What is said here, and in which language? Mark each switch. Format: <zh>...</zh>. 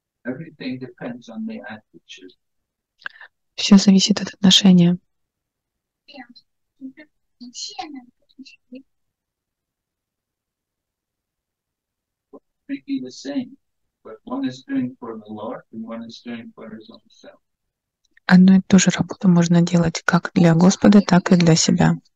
<en>Everything depends on the attitude.</en> <ru>Все зависит от отношения.</ru> <en>The same, but one is doing for the Lord and one is doing for his own self.</en> <ru>Одну и ту же работу можно делать как для Господа, так и для себя.</ru>